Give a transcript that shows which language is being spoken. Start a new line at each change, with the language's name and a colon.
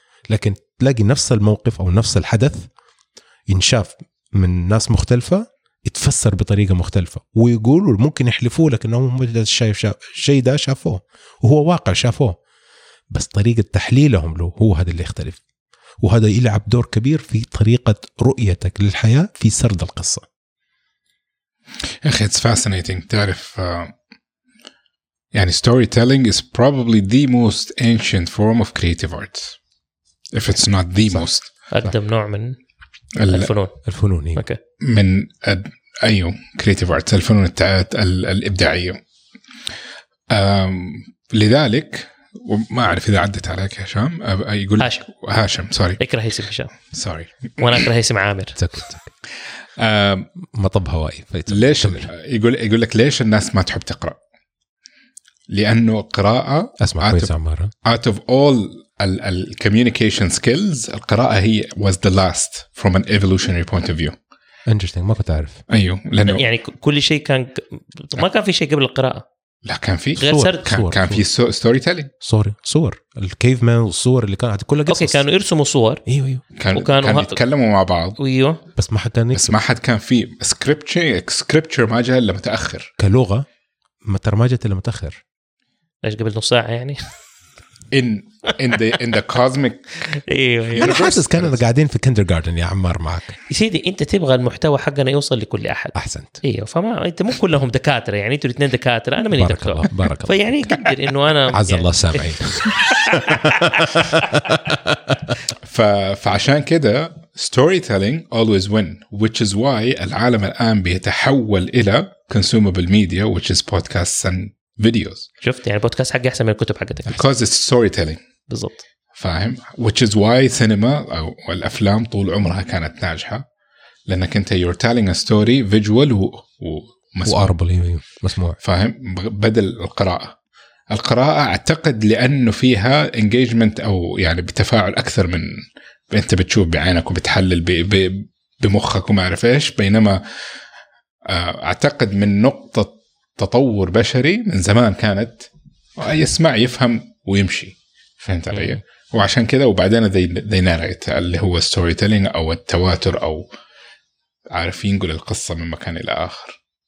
Arabic: لكن تلاقي نفس الموقف أو نفس الحدث ينشاف من ناس مختلفة يتفسر بطريقة مختلفة ويقولوا ممكن يحلفوا لك انهم شايف شيء ده شافوه وهو واقع شافوه بس طريقة تحليلهم له هو هذا اللي يختلف وهذا يلعب دور كبير في طريقة رؤيتك للحياة في سرد القصة. اخي
English: it's fascinating
Arabic: تعرف يعني
English: storytelling is probably the most ancient form of creative arts if it's not the most
Arabic: أقدم نوع من الفنون الفنونية من أي
English: creative arts
Arabic: الفنون الإبداعية لذلك وما أعرف إذا عدت عليك هشام يقول هاشم سوري اكره اسم هشام سوري وأنا اكره اسم عامر مطب هوائي ليش يقول لك ليش الناس ما تحب تقرأ لأنه قراءة اسمع كويس عمارة
English: out of all ال communication skills
Arabic: القراءة هي
English: was the last from an evolutionary point of view. Interesting
Arabic: ما كنت أعرف. أيوة لأنه يعني كل شيء كان ما كان في شيء قبل القراءة. لا كان في غير صور. كان في ستوري تيلينج. صور الكيف مان والصور اللي كانت كلها قصص. أوكي كانوا يرسموا صور. أيوة. كانوا يتكلموا مع بعض. أيوة. بس ما حد كان. بس ما حد كان في سكريبتشر ما جاء إلا متأخر. كلغة ما ترمجت إلا متأخر. ليش قبل نص ساعة يعني؟
English: in the cosmic
Arabic: أنا حاسس كاننا قاعدين في kindergarten يا عمار معك سيدي أنت تبغى المحتوى حقنا يوصل لكل أحد أحسنت إيه فما أنت مو كلهم دكاترة يعني أنتوا الاثنين دكاترة أنا ماني دكتور بارك الله فيعني قدر إنه أنا عز الله سامعين فعشان كده
English: storytelling always win which is why
Arabic: العالم الآن بيتحول إلى
English: consumable media which is podcasts and videos.
Arabic: شفت يعني البودكاست حقي أحسن من الكتب حقتك.
English: Because it's storytelling.
Arabic: بالضبط. فاهم.
English: Which is why
Arabic: cinema أو الأفلام طول عمرها كانت ناجحة. لأنك أنت
English: you're telling a story visual
Arabic: ومسموع. وأربل مسموع. فاهم. بدل القراءة. القراءة أعتقد لأنه فيها engagement أو يعني بتفاعل أكثر من أنت بتشوف بعينك وبتحلل بمخك وما أعرف إيش بينما أعتقد من نقطة تطور بشري من زمان كانت يسمع يفهم ويمشي فهمت علي وعشان كذا وبعدين ذي narrate اللي هو storytelling أو التواتر أو عارف ينقل القصة من مكان إلى آخر